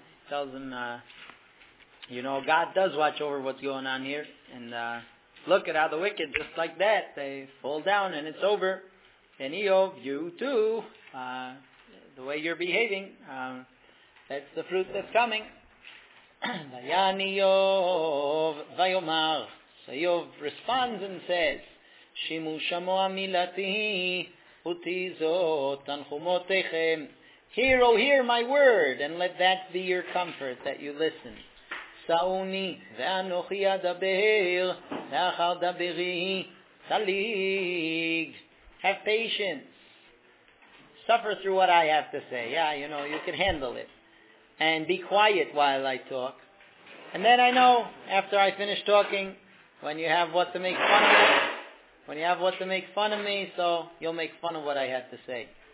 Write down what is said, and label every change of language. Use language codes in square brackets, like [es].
[en] Tells him, you know, God does watch over what's going on here. And look at how the wicked, just like that, they fall down and it's over. And Eov, you too, the way you're behaving, that's the fruit that's coming. [he] Vayan Eov, vayomar. [en] So Eov responds and says, [he] שימו שמוע מילתי, אותי זאת, תנחומותיכם. [en] Hear, O hear my word, and let that be your comfort, that you listen. [he] סעוני, ואנוכי אדבר, ואחר דברי, תליג. [en] Have patience. Suffer through what I have to say. Yeah, you know, you can handle it. And be quiet while I talk. And then I know, after I finish talking, when you have what to make fun of, when you have what to make fun of me, so you'll make fun of what I had to say.